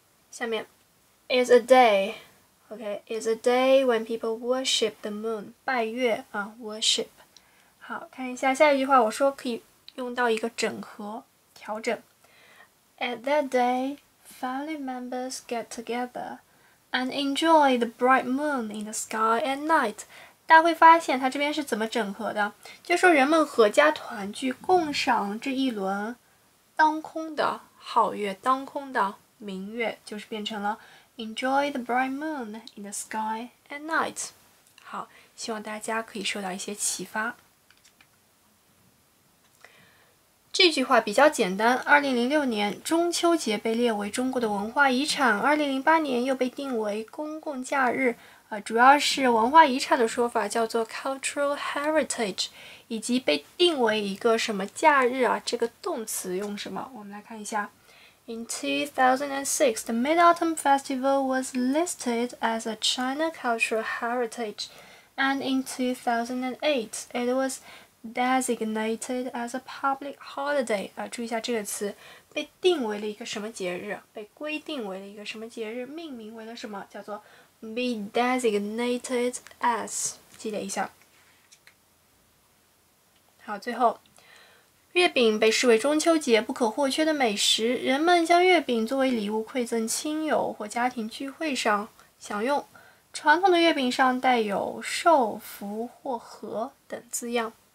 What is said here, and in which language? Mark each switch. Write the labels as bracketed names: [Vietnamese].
[English] 下面 is a day，OK，is a day when people worship the moon， [Chinese] 拜月啊， [English] worship。 [Chinese] 好，看一下下一句话，我说可以用到一个整合调整， [English] at that day。 Family members get together and enjoy the bright moon in the sky at night。 [Chinese] 大家会发现，它这边是怎么整合的？就是说人们合家团聚，共赏这一轮当空的皓月，当空的明月，就是变成了 [English] Enjoy the bright moon in the sky at night。 [Chinese] 好，希望大家可以受到一些启发。这句话比较简单，2006年中秋节被列为中国的文化遗产，2008年又被定为公共假日，主要是文化遗产的说法叫做 cultural heritage， 以及被定为一个什么假日啊，这个动词用什么，我们来看一下。 [English] In 2006, the Mid-Autumn Festival was listed as a China cultural heritage, and in 2008, it wasdesignated as a public holiday。 [Chinese] 注意一下这个词，被定为了一个什么节日，被规定为了一个什么节日，命名为了什么，叫做 [English] be designated as， [Chinese] 记得一下。好，最后，月饼被视为中秋节不可或缺的美食，人们将月饼作为礼物馈赠亲友或家庭聚会上享用，传统的月饼上带有寿福或和等字样。